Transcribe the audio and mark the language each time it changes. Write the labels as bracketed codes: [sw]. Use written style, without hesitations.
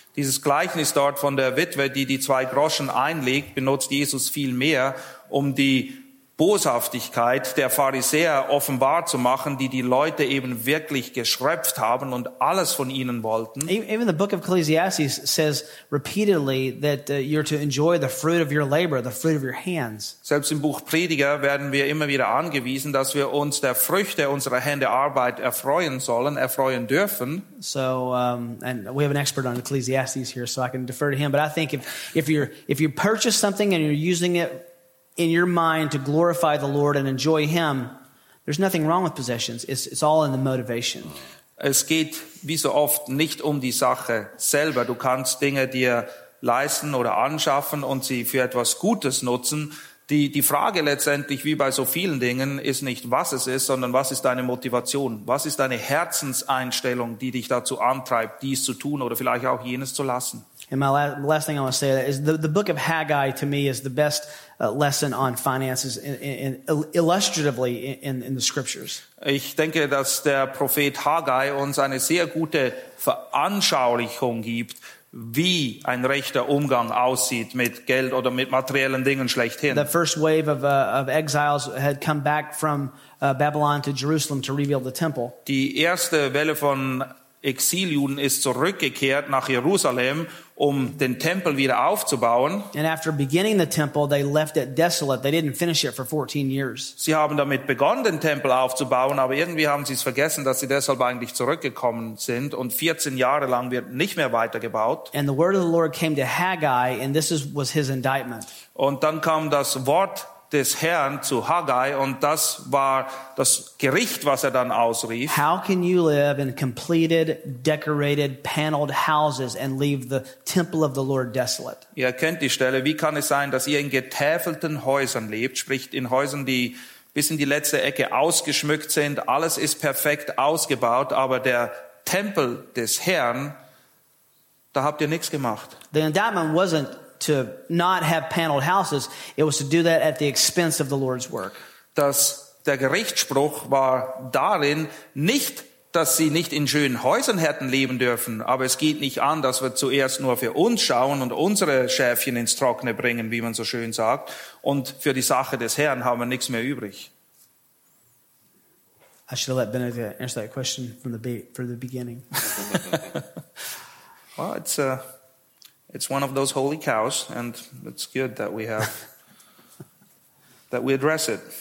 [de] Dieses Gleichnis dort von der Witwe, die 2 Groschen einlegt, benutzt Jesus viel mehr, um die Boshaftigkeit der Pharisäer offenbar zu machen, die Leute eben wirklich geschröpft haben und alles von ihnen wollten. [en] Even the book of Ecclesiastes says repeatedly that you're to enjoy the fruit of your labor, the fruit of your hands. [de] Selbst im Buch Prediger werden wir immer wieder angewiesen, dass wir uns der Früchte unserer Hände Arbeit erfreuen dürfen. [en] So, and we have an expert on Ecclesiastes here, so I can defer to him. But I think if you purchase something and you're using it in your mind to glorify the Lord and enjoy Him, there's nothing wrong with possessions. It's all in the motivation. [de] Es geht, wie so oft, nicht um die Sache selber. Du kannst Dinge dir leisten oder anschaffen und sie für etwas Gutes nutzen. Die Frage letztendlich, wie bei so vielen Dingen, ist nicht, was es ist, sondern was ist deine Motivation? Was ist deine Herzenseinstellung, die dich dazu antreibt, dies zu tun oder vielleicht auch jenes zu lassen? [en] And my last thing I want to say is the book of Haggai to me is the best lesson on finances illustratively in the scriptures. [de] Ich denke, dass der Prophet Haggai uns eine sehr gute Veranschaulichung gibt, wie ein rechter Umgang aussieht mit Geld oder mit materiellen Dingen schlechthin. [en] The first wave of exiles had come back from Babylon to Jerusalem to rebuild the temple. [de] Die erste Welle von Exiljuden ist zurückgekehrt nach Jerusalem, um den Tempel wieder aufzubauen. [en] And after beginning the temple, they left it desolate. They didn't finish it for 14 years. [de] Sie haben damit begonnen, den Tempel aufzubauen, aber irgendwie haben sie es vergessen, dass sie deshalb eigentlich zurückgekommen sind und 14 Jahre lang wird nicht mehr weitergebaut. [en] And the word of the Lord came to Haggai, and this was his indictment. [de] Und dann kam das Wort des Herrn zu Haggai und das war das Gericht, was dann ausrief. [en] How can you live in completed, decorated, paneled houses and leave the temple of the Lord desolate? [de] Ihr kennt die Stelle. Wie kann es sein, dass ihr in getäfelten Häusern lebt, sprich in Häusern, die bis in die letzte Ecke ausgeschmückt sind, alles ist perfekt ausgebaut, aber der Tempel des Herrn, da habt ihr nichts gemacht. [en] The indictment wasn't to not have paneled houses, it was to do that at the expense of the Lord's work. [de] Das der Gerichtsspruch war darin, nicht, dass sie nicht in schönen Häusern hätten leben dürfen, aber es geht nicht an, dass wir zuerst nur für uns schauen und unsere Schäfchen ins Trockene bringen, wie man so schön sagt, und für die Sache des Herrn haben wir nichts mehr übrig. [en] I should have let Benedict answer that question from the beginning. Well, it's one of those holy cows, and it's good that we have that we address it.